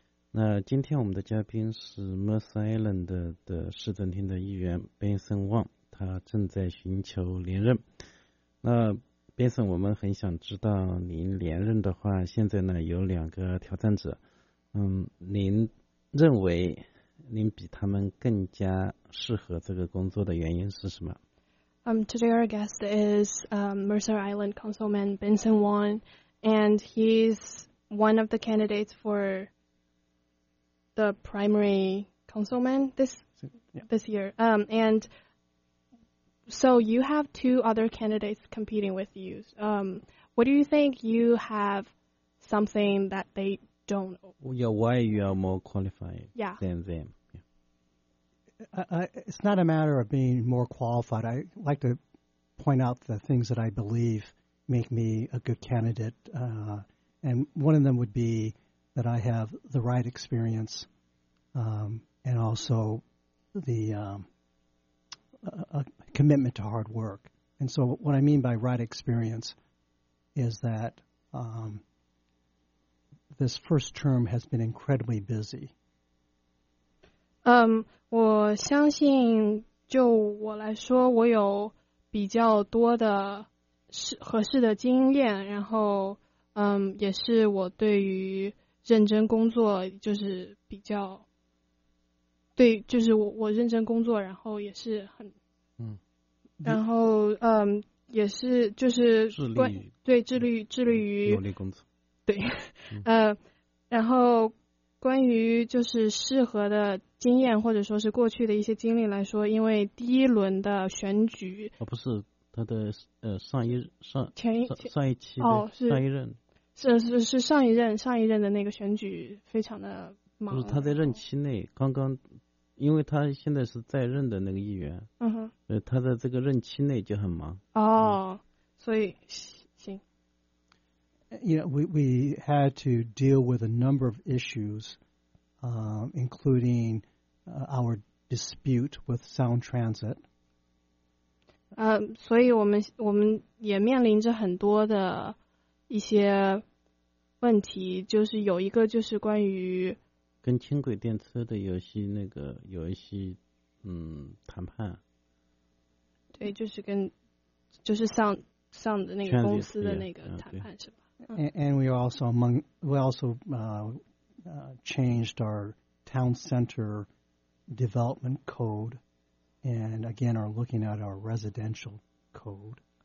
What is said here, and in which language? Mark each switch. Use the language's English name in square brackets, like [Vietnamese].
[Chinese] 那今天我们的嘉宾是 Mercer Island 的市政厅的议员 Benson Wong， 他正在寻求连任。那 Benson， 我们很想知道您连任的话，现在呢有两个挑战者，您认为您比他们更加适合这个工作的原因是什么？ [English] Today our guest is Mercer Island Councilman Benson Wong, and he's one of the candidates for the primary councilman this year. And so you have two other candidates competing with you. What do you think you have something that they don't? Yeah, why you are more qualified than them? It's not a matter of being more qualified. I like to point out the things that I believe make me a good candidate. And one of them would be that I have the right experience. And also the commitment to hard work. And so what I mean by right experience is that this first term has been incredibly busy. [Chinese] 我相信就我来说，我有比较多的合适的经验，然后也是我对于认真工作就是比较对，就是我认真工作，然后也是很然后也是就是致力于努力工作，对然后关于就是适合的经验或者说是过去的一些经历来说，因为第一轮的选举不是他的上一上前一上上一期的是上一任是上一任的那个选举非常的忙，不是他在任期内刚刚。因为他现在是在任的那个议员，他的这个任期内就很忙。所以行。 [English] Yeah, we had to deal with a number of issues, including our dispute with Sound Transit. [Chinese] 所以我们也面临着很多的一些问题，就是有一个就是关于跟轻轨电车的游戏那个有一些谈判，对，就是跟就是上的那个公司的那个谈判是吧？ [English] And we also changed our town center development code, and again are looking at our residential code.